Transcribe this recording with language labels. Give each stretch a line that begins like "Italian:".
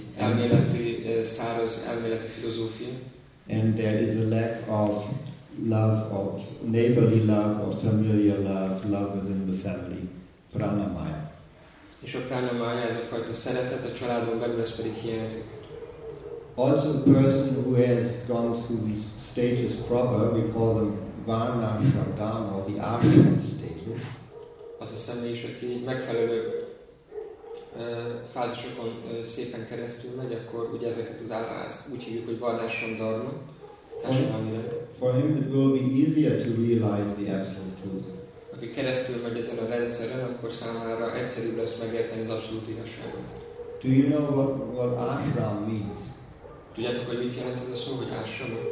Hungarian: Elméleti, száraz elméleti filozófia.
English: And there is a lack of love, of neighborly love, of familiar love, love within the family, pranamaya.
Hungarian: És a pranamaya, ez a fajta szeretet a családban belül, ez pedig hiányzik.
English: Also a person who has gone through these stages proper, we call them varna shardam, or the ashram stages.
Hungarian: Az a személy is, aki megfelelő fázisokon szépen keresztül megy, akkor ugye ezeket az állást úgy hívjuk, hogy varnásom darma.
English: For him it will be easier to realize the absolute truth.
Hungarian: Aki keresztül megy ezen a rendszeren, akkor számára egyszerűbb lesz megérteni az abszolút igazságot.
English: Do you know what ashram means?
Hungarian: Tudjátok, hogy mit jelent ez a szó, hogy ashram?